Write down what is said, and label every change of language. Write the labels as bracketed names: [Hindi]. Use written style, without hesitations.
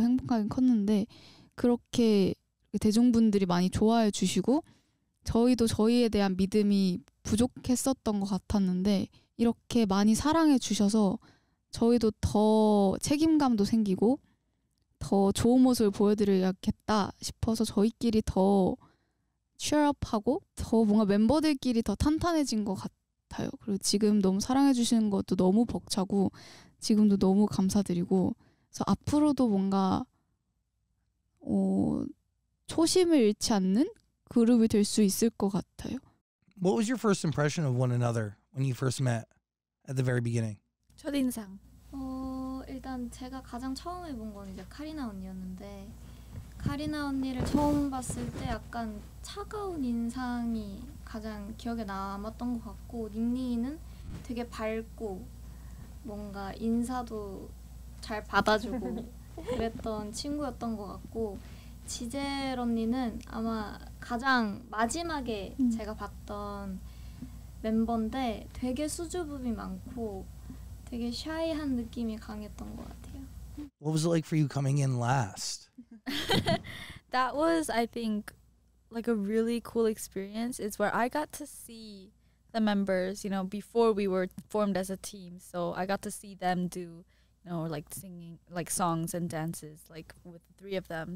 [Korean] 행복하게 컸는데 그렇게 대중분들이 많이 좋아해 주시고 저희도 저희에 대한 믿음이 부족했었던 것 같았는데 이렇게 많이 사랑해 주셔서 저희도 더 책임감도 생기고 더 좋은 모습을 보여드려야겠다 싶어서 저희끼리 더 취업하고 더 뭔가 멤버들끼리 더 탄탄해진 것 같아요. 그리고 지금 너무 사랑해 주시는 것도 너무 벅차고 지금도 너무 감사드리고 그래서 앞으로도 뭔가 초심을 잃지 않는 그룹이 될 수 있을 것 같아요. [English] What was your first impression of one another when you first met at the very beginning? [Korean] 첫인상. 일단 제가 가장 처음에 본 건 이제 카리나 언니였는데 카리나 언니를 처음 봤을 때 약간 차가운 인상이 가장 기억에 남았던 것 같고 닉네임은 되게 밝고 뭔가 인사도 잘 받아주고 그랬던 친구였던 것 같고 지젤 언니는 아마 가장 마지막에 제가 봤던 멤버인데 되게 수줍음이 많고 되게 샤이한 느낌이 강했던 것 같아요. [English] What was it like for you coming in last? That was, I think, like a really cool experience. It's where I got to see the members, you know, before we were formed as a team. So I got to see them do, you know, like singing, like songs and dances, like with the three of them.